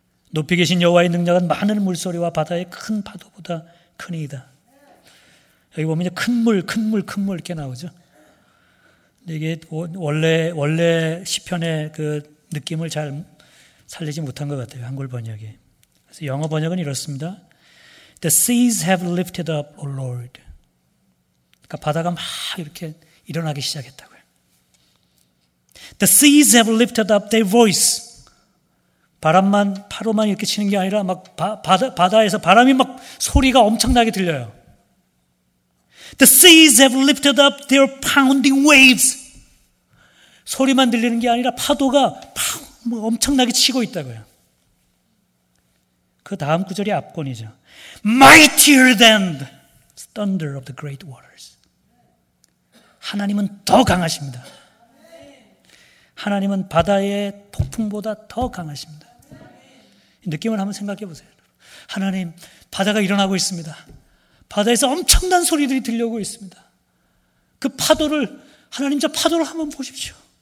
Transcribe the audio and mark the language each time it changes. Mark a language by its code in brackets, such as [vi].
[ko] 높이 계신 여호와의 능력은 많은 물소리와 바다의 큰 파도보다 크니이다. 여기 보면 큰 물, 큰 물, 큰 물 이렇게 나오죠. 이게 원래 시편의 그 느낌을 잘 살리지 못한 것 같아요. 한글 번역이. 그래서 영어 번역은 이렇습니다. [en] The seas have lifted up, O Lord. [ko] 그러니까 바다가 막 이렇게 일어나기 시작했다고요. [en] The seas have lifted up their voice. [ko] 바람만 파로만 이렇게 치는 게 아니라 막 바다에서 바람이 막 소리가 엄청나게 들려요. [en] The seas have lifted up their pounding waves. [ko] 소리만 들리는 게 아니라 파도가 막 엄청나게 치고 있다고요. 그 다음 구절이 압권이죠. [en] Mightier than the thunder of the great waters. [ko] 하나님은 더 강하십니다. 하나님은 바다의 폭풍보다 더 강하십니다. 느낌을 한번 생각해 보세요. 하나님, 바다가 일어나고 있습니다. 바다에서 엄청난 소리들이 들려오고 있습니다. 그 파도를, 하나님 저 파도를 한번 보십시오.